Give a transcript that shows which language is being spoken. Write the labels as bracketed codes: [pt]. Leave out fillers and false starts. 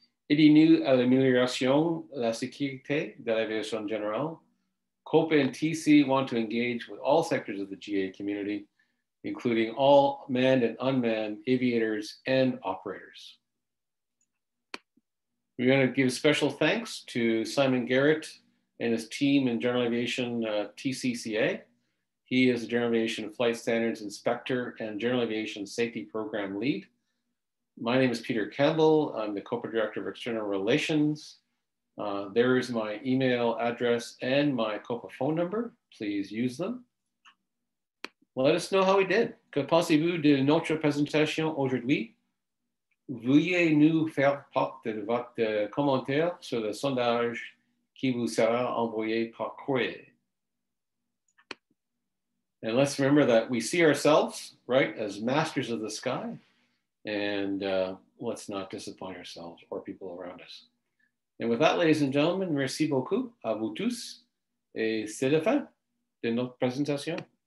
[fr] Aidez-nous à l'amélioration de la sécurité de l'aviation générale. [en] COPA and TC want to engage with all sectors of the GA community, including all manned and unmanned aviators and operators. We want to give special thanks to Simon Garrett and his team in General Aviation TCCA. He is the General Aviation Flight Standards Inspector and General Aviation Safety Program Lead. My name is Peter Campbell. I'm the COPA Director of External Relations. There is my email address and my COPA phone number. Please use them. Let us know how we did. [fr] Que pensez-vous de notre présentation aujourd'hui? Veuillez-nous faire part de votre commentaire sur le sondage qui vous sera envoyé par courrier. [en] And let's remember that we see ourselves, right, as masters of the sky, and let's not disappoint ourselves or people around us. And with that, ladies and gentlemen, [fr] merci beaucoup à vous tous. Et c'est la fin de notre présentation.